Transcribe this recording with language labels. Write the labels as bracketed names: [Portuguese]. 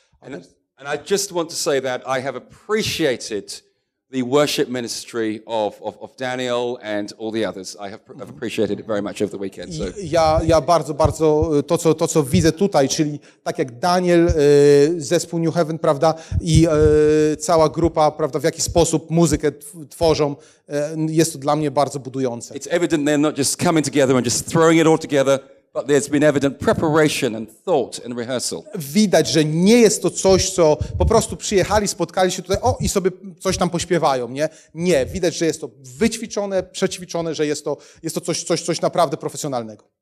[English] And I just want to say that I have appreciated the worship ministry of Daniel and all the others. I have appreciated it very much over the weekend. So. [Polish] Ja bardzo, bardzo to co widzę tutaj, czyli tak jak Daniel, zespół New Heaven, prawda, i cała grupa, prawda, w jaki sposób muzykę tworzą, jest to dla mnie bardzo budujące. [English] It's evident they're not just coming together and just throwing it all together. But there's been evident preparation and thought and rehearsal. [Polish] Widać, że nie jest to coś, co po prostu przyjechali, spotkali się tutaj, i sobie coś tam pośpiewają, nie? Nie, widać, że jest to wyćwiczone, przećwiczone, że jest to coś naprawdę profesjonalnego.